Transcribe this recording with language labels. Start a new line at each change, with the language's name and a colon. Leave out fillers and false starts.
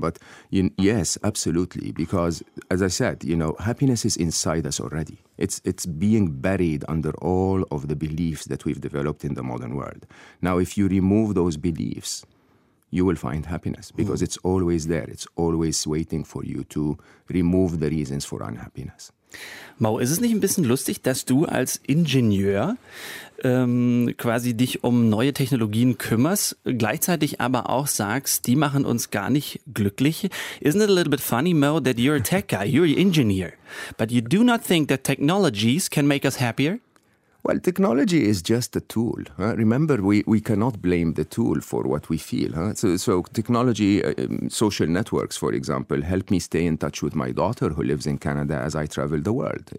English: But yes, absolutely. Because, as I said, you know, happiness is inside us already. It's being buried under all of the beliefs that we've developed in the modern world. Now, if you remove those beliefs, you will find happiness because it's always there. It's always waiting for you to remove the reasons for unhappiness.
German: Mau, ist es nicht ein bisschen lustig, dass du als Ingenieur quasi dich um neue Technologien kümmerst, gleichzeitig aber auch sagst, die machen uns gar nicht glücklich?
English: Isn't it a little bit funny, Mau, that you're a tech guy, you're an engineer, but you do not think that technologies can make us happier? Well, technology is just a tool. Remember, we cannot blame the tool for what we feel. So technology, social networks, for example, help me stay in touch with my daughter who lives in Canada as I travel the world.